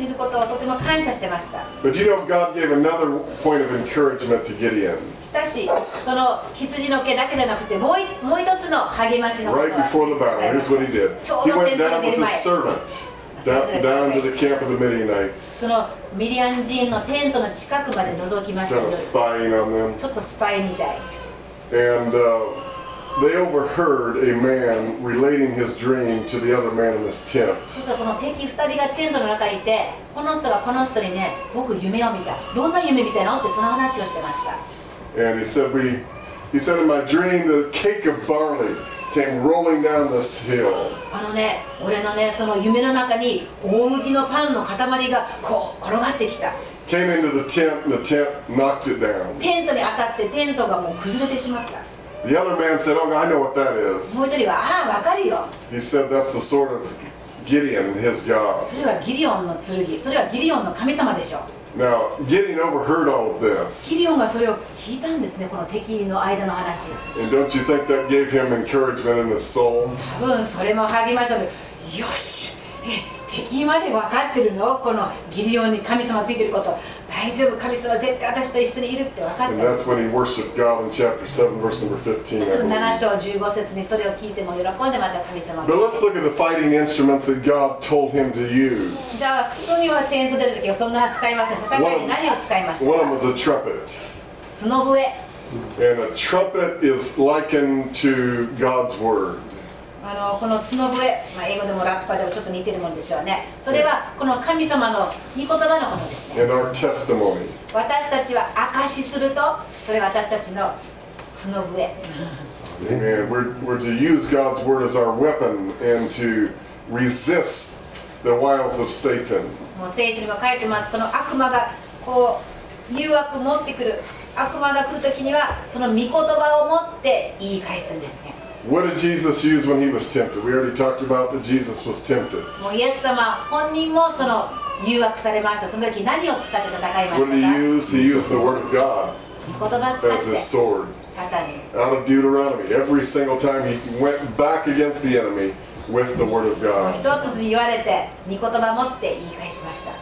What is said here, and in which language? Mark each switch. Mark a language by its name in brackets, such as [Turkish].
[English] But you know, God gave another point of encouragement to Gideon. Right before the battle, here's what he did. He went down with his servant. Down to the camp of the Midianites. [Japanese] そのミディアン人のテントの近くまで覗きました。 [English] Kind of spying on them. [Japanese] ちょっとスパイみたい。 [English] And they overheard a man relating his dream to the other man in this tent. [Japanese] そしたらこの敵二人がテントの中にいて、この人がこの人にね、僕夢を見た。どんな夢見たのってその話をしてました。 [English] And he said in my dream the cake of barley. Came rolling down this hill. [Japanese] あのね、俺のね、その夢の中に大麦のパンの塊がこう転がってきた。 [English] Came into the tent, and the tent knocked it down. [Japanese] テントに当たってテントがもう崩れてしまった。 [English] The other man said, "Oh, I know what that is." [Japanese] もう一人は、ああ、わかるよ。 [English] He said, "That's the sword of Gideon, his god." [Japanese] それはギディオンの剣、それはギディオンの神様でしょう。 [English] Now, Gideon overheard all of this. [Japanese] Gideon がそれを聞いたんですね、この敵の間の話。 [English] And don't you think that gave him encouragement in his soul? [Japanese] 多分それも励ましたね。よし、敵まで分かってるの？このギディオンに神様ついてること。大丈夫、神様絶対私と一緒にいるって分かった。 [English] And that's when he worshiped God in chapter 7, verse number 15. [Japanese] 7章15節にそれを聞いても喜んでまた神様。 [English] But let's look at the fighting instruments that God told him to use. [Japanese] じゃあ、普通には戦闘出るときはそんな使いません。戦いに何を使いましたか？ [English] One of them was a trumpet. [Japanese] その笛。 [English] And a trumpet is likened to God's word. [Japanese] あのこの角笛、まあ、英語でもラッパでもちょっと似てるものでしょうね。それはこの神様の御言葉のことですね。 [English] And our testimony. [Japanese] 私たちは証しすると、それは私たちの角笛。 [English] we're to use God's word as our weapon and to resist the wiles of Satan. [Japanese] もう聖書にも書いてます、この悪魔がこう誘惑持ってくる、悪魔が来るときにはその御言葉を持って言い返すんですね。 [English] What did Jesus use when he was tempted? We already talked about that Jesus was tempted. [Japanese] もうイエス様本人もその誘惑されました。その時何を使って戦いましたか？ [English] What did he use? He used the word of God. [Japanese] 言葉使って。 [English] As his sword. [Japanese] サタンに。 [English] Out of Deuteronomy. Every single time he went back against the enemy with the word of God. [Japanese] 一つずつ言われて、御言葉持って言い返しました。